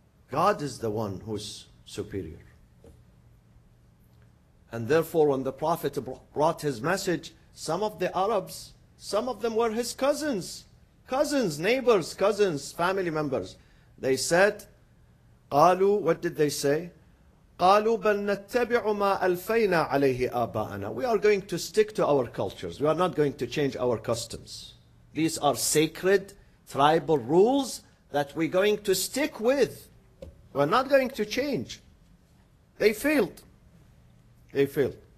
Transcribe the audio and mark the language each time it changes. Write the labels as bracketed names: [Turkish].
[English] God is the one who's superior. And therefore, when the Prophet brought his message, some of the Arabs, some of them were his cousins, cousins, neighbors, cousins, family members. They said, [Arabic] قالوا, [English] what did they say? [Arabic] قالوا بل نتبع ما ألفينا عليه آباءنا. [English] We are going to stick to our cultures. We are not going to change our customs. These are sacred tribal rules that we're going to stick with. We're not going to change. They failed. They failed.